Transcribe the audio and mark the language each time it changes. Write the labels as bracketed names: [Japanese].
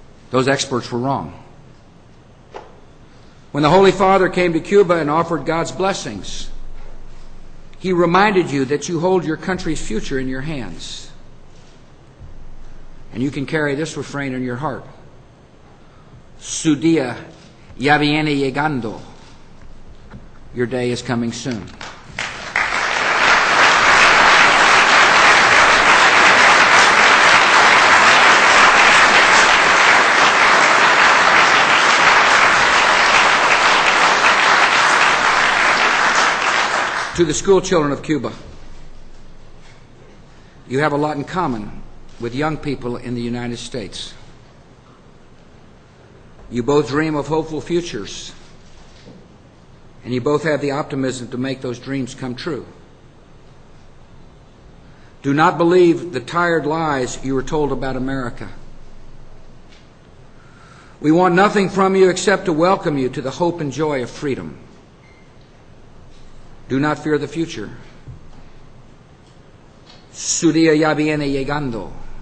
[English] Those experts were wrong. When the Holy Father came to Cuba and offered God's blessings, he reminded you that you hold your country's future in your hands. And you can carry this refrain in your heart. [Spanish] Su día ya viene llegando. [English] Your day is coming soon. To the school children of Cuba, you have a lot in common with young people in the United States. You both dream of hopeful futures, and you both have the optimism to make those dreams come true. Do not believe the tired lies you were told about America. We want nothing from you except to welcome you to the hope and joy of freedom. Do not fear the future. [Spanish] Su día ya viene llegando.